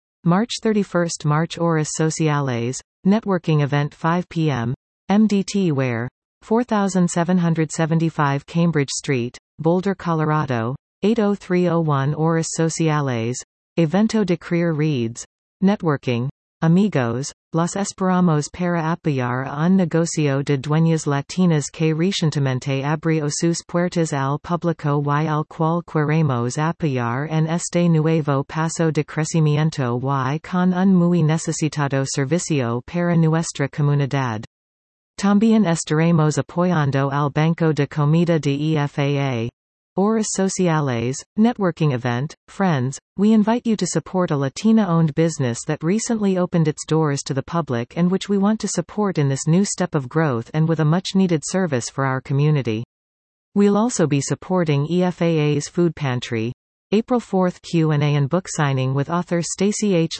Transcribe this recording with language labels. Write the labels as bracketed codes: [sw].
[en] March 31st March Oris Sociales, networking event 5 p.m., MDT Ware, 4775 Cambridge Street, Boulder, Colorado, 80301 Oris Sociales, [es] Evento de Creer [en] reads. Networking. [es] Amigos, los esperamos para apoyar a un negocio de dueñas latinas que recientemente abrió sus puertas al público y al cual queremos apoyar en este nuevo paso de crecimiento y con un muy necesitado servicio para nuestra comunidad. También estaremos apoyando al Banco de Comida de EFAA. [en] Oris Sociales, networking event, friends, we invite you to support a Latina-owned business that recently opened its doors to the public and which we want to support in this new step of growth and with a much-needed service for our community. We'll also be supporting EFAA's food pantry. April 4th Q&A and book signing with author Stacy H.